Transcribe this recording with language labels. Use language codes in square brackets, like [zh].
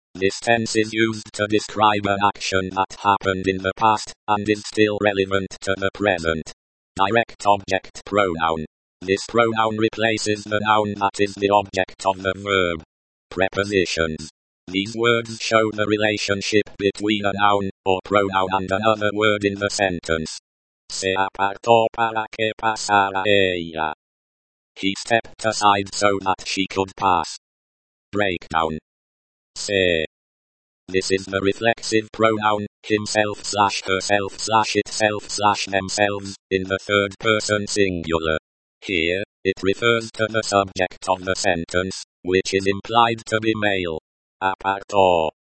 [en] This tense is used to describe an action that happened in the past, and is still relevant to the present. Direct object pronoun. This pronoun replaces the noun that is the object of the verb. Prepositions. These words show the relationship between a noun, or pronoun, and another word in the sentence. [es] Se apartó para que pasara ella. [en] He stepped aside so that she could pass. Breakdown. Se. This is the reflexive pronoun, himself slash herself slash itself slash themselves, in the third person singular. Here, it refers to the subject of the sentence, which is implied to be male. Apartó.